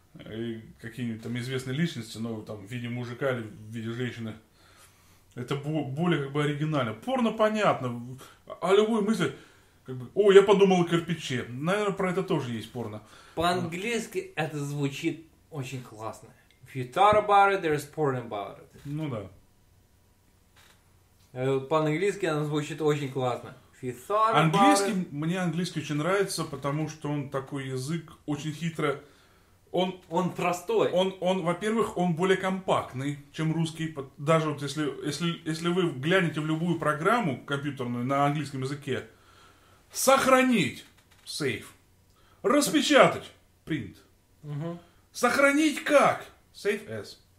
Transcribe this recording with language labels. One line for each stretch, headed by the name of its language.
Russian: И какие-нибудь там известные личности, но там в виде мужика или в виде женщины. Это более как бы оригинально. Порно понятно. А любой мысль, как бы, о, я подумал о кирпиче. Наверное, про это тоже есть порно. По-английски это звучит очень классно.
English: If you thought about it, there's porn about it.
Russian: Ну да. По-английски оно звучит очень классно.
English: If you thought about it...
Russian: Мне английский очень нравится, потому что он такой язык очень хитро... Он простой. Он, во-первых, он более компактный, чем русский. Даже вот если вы глянете в любую программу компьютерную на английском языке, сохранить сейф, распечатать print, сохранить как save as.